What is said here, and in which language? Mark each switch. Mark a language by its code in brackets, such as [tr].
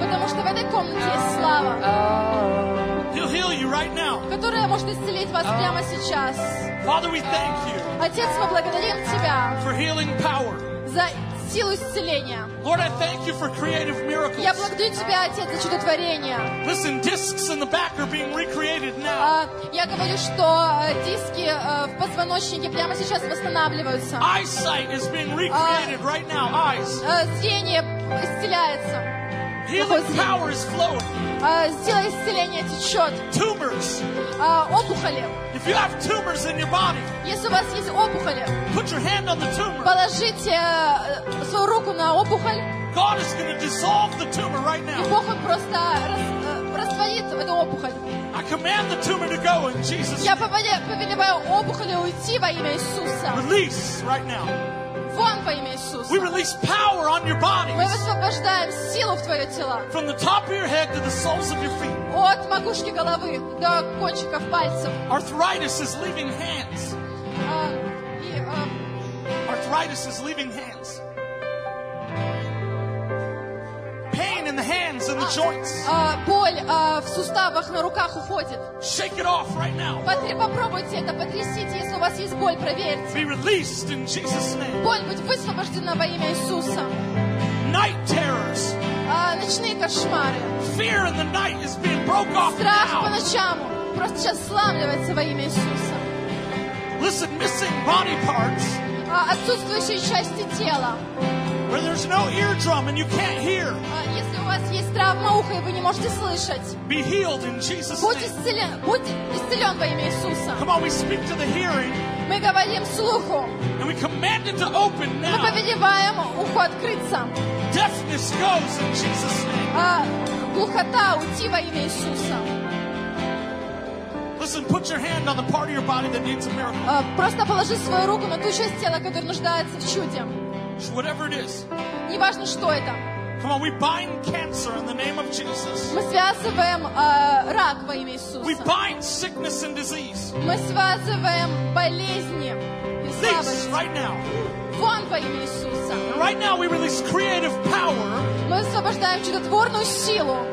[ru] Потому что в этой комнате есть слава. [en] He'll heal you right now. [ru] Которая может исцелить вас прямо сейчас. [en] Father, we thank you. [ru] Отец, мы благодарим тебя. [en] For healing power. [ru] За силу исцеления. [en] Lord, I thank you for creative miracles. [ru] Я благодарю тебя, Отец, за чудотворение. [en] Listen, discs in the back are being recreated now. [ru] Я говорю, что диски в позвоночнике прямо сейчас восстанавливаются. [en] Eyesight is being recreated right now. Eyes. [ru] Зрение исцеляется. [en] Healing power is flowing. [ru] Сила исцеления течет. [en] Tumors. [ru] Опухоли. [en] If you have tumors in your body, [ru] если у вас есть опухоли, [en] put your hand on the tumor. [ru] Положите свою руку на опухоль. [en] God is going to dissolve the tumor right now. [ru] И Бог просто растворит эту опухоль. [en] I command the tumor to go in Jesus' [ru] Я повелеваю опухоли уйти во имя Иисуса. [en] Release right now. We release power on your body. [ru] Мы высвобождаем силу в твое тело. [en] From the top of your head to the soles of your feet. [ru] От макушки головы до кончиков пальцев. [en] Arthritis is leaving hands. Arthritis is leaving hands. Pain in the hands and the joints. [ru] Боль в суставах на руках уходит. [en] Shake it off right now. [ru] Попробуйте это, потрясите, если у вас есть боль, проверьте. [en] Be released in Jesus' name. [ru] Боль будь высвобождена во имя Иисуса. [en] Night terrors. [ru] Ночные кошмары. [en] Fear in the night is being broke off. [ru] Страх по ночам просто сейчас сломляется во имя Иисуса. [en] Listen, missing body parts. [ru] Отсутствующие части тела. [en] Where there's no eardrum and you can't hear. [ru] Если у вас есть травма уха и вы не можете слышать. [en] Be healed in Jesus' name. [ru] Будь исцелен во имя Иисуса. [en] Come on, we speak to the hearing. [ru] Мы говорим слуху. [en] And we command it to open now. [ru] Мы повелеваем уху открыться. [en] Deafness goes in Jesus' name. [ru] Глухота уйти во имя Иисуса. [en] Listen, put your hand on the part of your body that needs a miracle. [ru] Просто положи свою руку на ту часть тела, которая нуждается в чуде. [en] Whatever it is. [ru] Не важно, что это. [en] Come on, we bind cancer in the name of Jesus. [ru] Мы связываем рак во имя Иисуса. [en] We bind sickness and disease. [ru] Мы связываем болезни и слабость. [en] Right now. [ru] Вон во имя Иисуса. [en] Right now we release creative power. [ru] Мы освобождаем чудотворную силу.